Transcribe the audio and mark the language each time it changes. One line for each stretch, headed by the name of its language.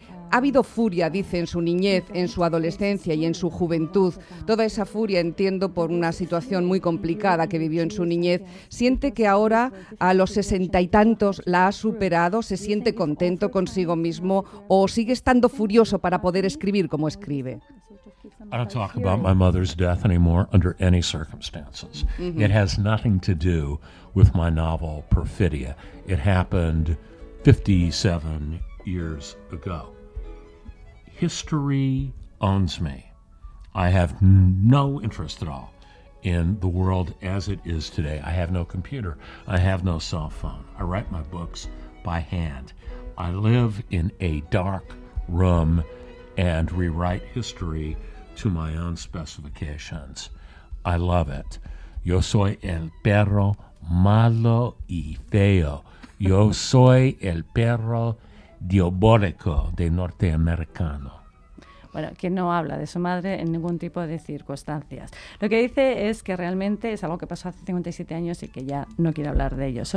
Spanish: Ha habido furia, dice, en su niñez, en su adolescencia y en su juventud. Toda esa furia, entiendo, por una situación muy complicada que vivió en su niñez. ¿Siente que ahora, a los 60 y tantos, la ha superado? ¿Se siente contento consigo mismo? ¿O sigue estando furioso para poder escribir como escribe?
English: I don't talk about my mother's death anymore under any circumstances. Mm-hmm. It has nothing to do with my novel Perfidia. It happened 57 years ago. History owns me. I have no interest at all in the world as it is today. I have no computer. I have no cell phone. I write my books by hand. I live in a dark room and rewrite history to my own specifications. I love it.
Spanish: Yo soy el perro malo y feo. Yo soy el perro diabólico de norteamericano. Bueno, que no habla de su madre en ningún tipo de circunstancias. Lo que dice es que realmente es algo que pasó hace 57 años y que ya no quiere hablar de ello.